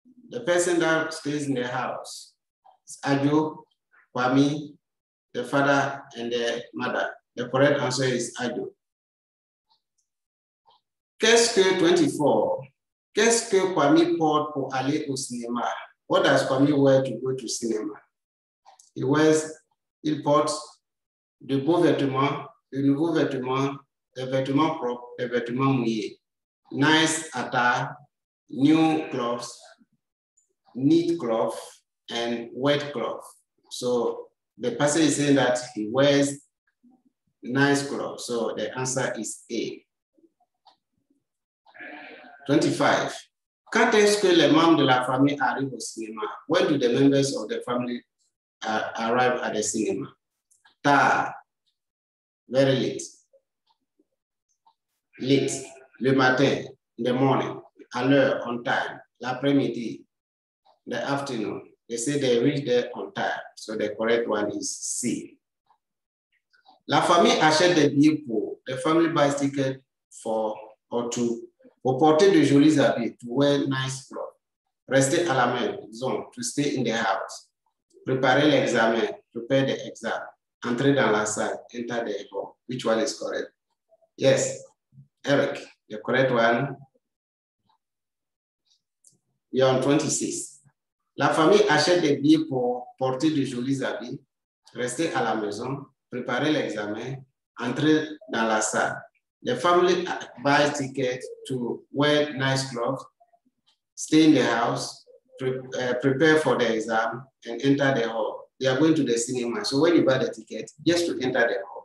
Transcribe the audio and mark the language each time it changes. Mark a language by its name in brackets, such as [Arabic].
[English] The person that stays in the house is Adjo, Kwame, the father and the mother. The correct answer is Adjo. [French] Qu'est-ce que 24? Qu'est-ce que Kwame porte pour aller au cinéma? [English] What does Kwame wear to go to cinema? [French] Il porte de beaux vêtements, de nouveaux vêtements, des vêtements propres, des vêtements mouillés. [English] Nice attire, new clothes, neat cloth, and wet cloth. So the person is saying that he wears nice clothes. So the answer is A. 25. [French] Quand est-ce que les membres de la famille arrivent au cinéma? [English] When do the members of the family arrive at the cinema? Tard. Very late. [French] Late. Le matin. [English] In the morning, [French] à l'heure, [English] on time, [French] l'après-midi, [English] the afternoon. They say they reach there on time. So the correct one is C. [French] La famille achète des billets pour [English] the family buys ticket for or to [French] pour porter de jolis habits, [English] to wear nice clothes, [French] rester à la maison, disons, [English] to stay in the house, [French] préparer l'examen, [English] prepare the exam, [French] entrer dans la salle, [English] enter the hall. Which one is correct? Yes, Eric, the correct one. We are on 26. [French] La famille achète des billets pour porter de jolis habits, rester à la maison, préparer l'examen, entrer dans la salle. [English] The family buys tickets to wear nice clothes, stay in the house, prepare for the exam, and enter the hall. They are going to the cinema. So when you buy the ticket, just to enter the hall.